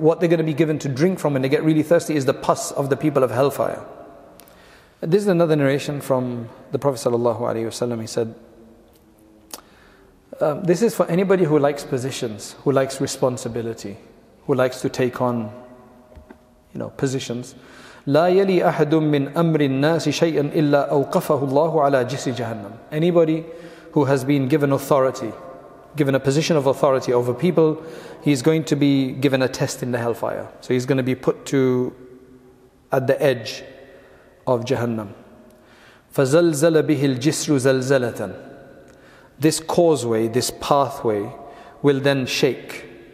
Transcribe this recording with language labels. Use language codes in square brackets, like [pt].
[en] What they're going to be given to drink from when they get really thirsty is the pus of the people of hellfire. This is another narration from the Prophet ﷺ. He said, this is for anybody who likes positions, who likes responsibility, who likes to take on, you know, positions. [ar] لا يلي أحد من أمر الناس شيئا إلا أوقفه الله على جسر جهنم. [en] Anybody who has been given authority, given a position of authority over people, he's going to be given a test in the hellfire. So he's going to be put to at the edge of Jahannam. [ar] فَزَلْزَلَ بِهِ الْجِسْرُ زَلْزَلَةً. [en] This causeway, this pathway, will then shake.